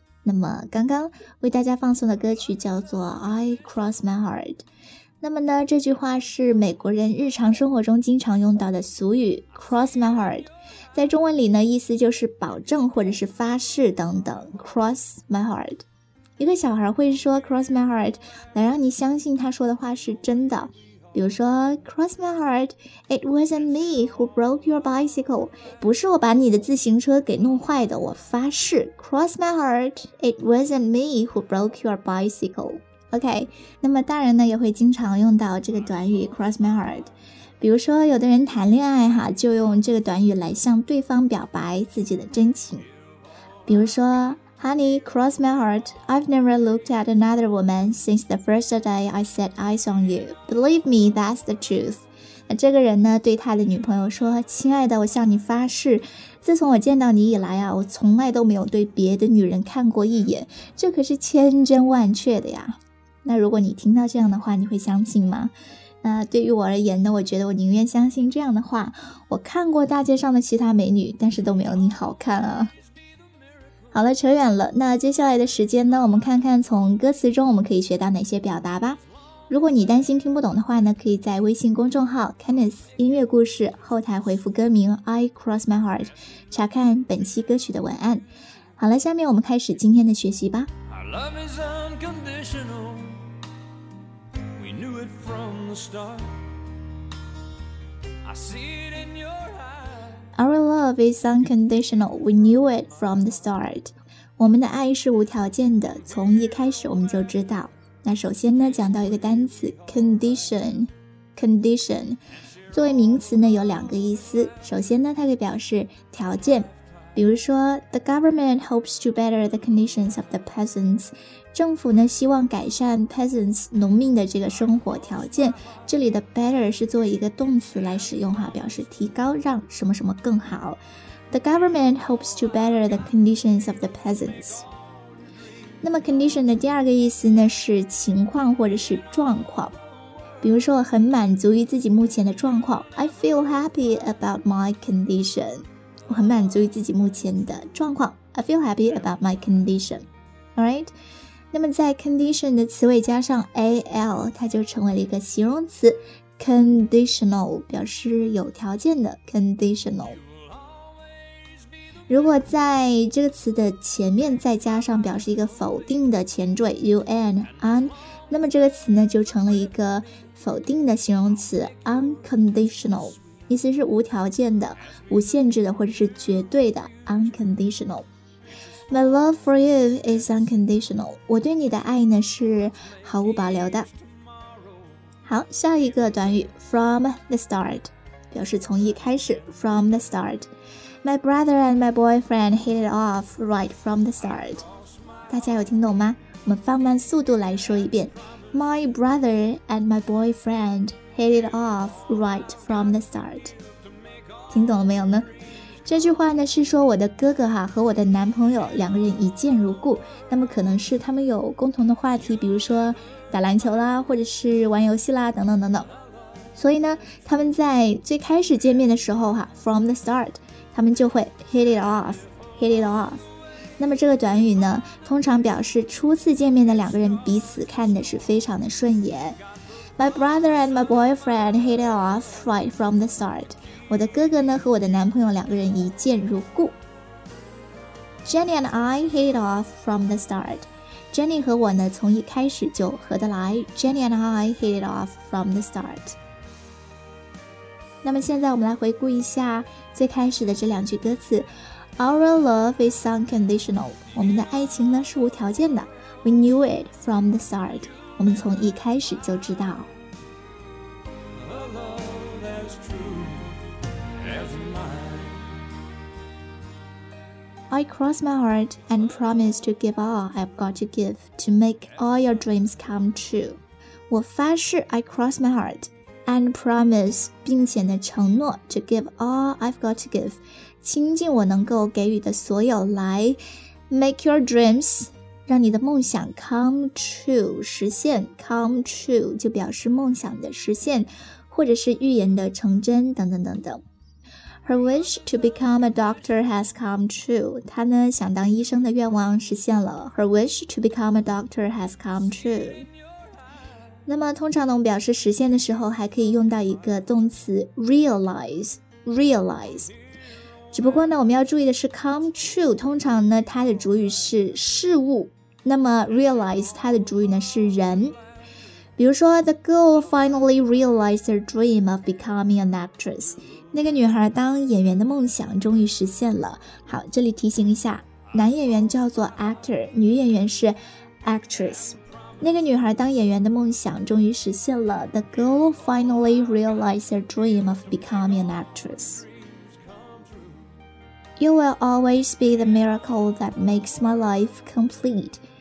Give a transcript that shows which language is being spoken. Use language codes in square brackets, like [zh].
[zh] 那么刚刚为大家放送的歌曲叫做 I Cross My Heart，那么呢，这句话是美国人日常生活中经常用到的俗语 [en] cross my heart， [zh] 在中文里呢意思就是保证或者是发誓等等， cross my heart。一个小孩会说 [en] cross my heart [zh] 来让你相信他说的话是真的，比如说 [en] cross my heart it wasn't me who broke your bicycle， [zh] 不是我把你的自行车给弄坏的，我发誓 cross my heart it wasn't me who broke your bicycle。 OK， 那么大人呢也会经常用到这个短语 [en] cross my heart， [zh] 比如说有的人谈恋爱哈，就用这个短语来向对方表白自己的真情，比如说 [en] Honey, cross my heart, I've never looked at another woman since the first day I set eyes on you. Believe me, that's the truth。 [zh] 那这个人呢对他的女朋友说，亲爱的，我向你发誓，自从我见到你以来啊，我从来都没有对别的女人看过一眼，这可是千真万确的呀。那如果你听到这样的话，你会相信吗？那对于我而言呢，我觉得我宁愿相信这样的话。我看过大街上的其他美女，但是都没有你好看啊。好了，扯远了。那接下来的时间呢，我们看看从歌词中我们可以学到哪些表达吧。如果你担心听不懂的话呢，可以在微信公众号 Kenneth 音乐故事后台回复歌名 [en] I Cross My Heart [zh] 查看本期歌曲的文案。好了，下面我们开始今天的学习吧。 [en] Love is unconditional, we knew it from the start. I see it in your eyes. Our love is unconditional, we knew it from the start. [zh] 我们的爱是无条件的，从一开始我们就知道。那首先呢，讲到一个单词 condition 作为名词呢，有两个意思。首先呢，它可以表示条件。 [en] 比如说 The government hopes to better the conditions of the peasants， [zh] 政府呢希望改善 [en] peasants [zh] 农民的这个生活条件。 [en] 这里的 better 是作为一个动词来使用哈，表示提高，让什么什么更好。 The government hopes to better the conditions of the peasants。 [zh] 那么 condition 的第二个意思呢是情况或者是状况。比如说我很满足于自己目前的状况， [en] I feel happy about my condition， [zh] 我很满足于自己目前的状况， I feel happy about my condition. [en] Alright， [zh] 那么在 condition 的词尾加上 al， 它就成为了一个形容词 conditional， 表示有条件的 conditional。如果在这个词的前面再加上表示一个否定的前缀 un， 那么这个词呢就成了一个否定的形容词 [en] unconditional， [zh] 意思是无条件的、无限制的或者是绝对的 unconditional。 [en] My love for you is unconditional， [zh] 我对你的爱呢是毫无保留的。好，下一个短语 [en] from the start， [zh] 表示从一开始 from the start。 [en] My brother and my boyfriend hit it off right from the start， [zh] 大家有听懂吗？我们放慢速度来说一遍。 [en] My brother and my boyfriend hit it off right from the start， [zh] 听懂了没有呢？这句话呢是说我的哥哥哈和我的男朋友两个人一见如故，那么可能是他们有共同的话题，比如说打篮球啦或者是玩游戏啦等等等等，所以呢他们在最开始见面的时候哈 [en] from the start [zh] 他们就会 [en] hit it off。 [zh] 那么这个短语呢通常表示初次见面的两个人彼此看的是非常的顺眼。 [en] My brother and my boyfriend hit it off right from the start， [zh] 我的哥哥呢和我的男朋友两个人一见如故。 [en] Jenny and I hit it off from the start， Jenny 和 [zh] 我呢从一开始就合得来。 [en] Jenny and I hit it off from the start。 [zh] 那么现在我们来回顾一下最开始的这两句歌词。 [en] Our love is unconditional， [zh] 我们的爱情呢是无条件的。 [en] We knew it from the start， [zh] 我们从一开始就知道。 [en] A love as true as mine. I cross my heart and promise to give all I've got to give to make all your dreams come true. [zh] 我发誓 [en] I cross my heart and promise [zh] 并且呢承诺 [en] to give all I've got to give， [zh] 倾尽我能够给予的所有来 [en] make your dreams， [zh] 让你的梦想 [en] come true， 实现。 [zh] come true 就表示梦想的实现或者是预言的成真等等等等。 [en] Her wish to become a doctor has come true， [zh] 她呢想当医生的愿望实现了。 [en] Her wish to become a doctor has come true。 [zh] 那么通常呢，我们表示实现的时候还可以用到一个动词 realize。只不过呢，我们要注意的是 come true 通常呢它的主语是事物，那么 realize 它的主语呢是人。 [en] 比如说 The girl finally realized her dream of becoming an actress， [zh] 那个女孩当演员的梦想终于实现了。好，这里提醒一下，男演员叫做 actor， 女演员是 actress。那个女孩当演员的梦想终于实现了， [en] The girl finally realized her dream of becoming an actress。 You will always be the miracle that makes my life complete.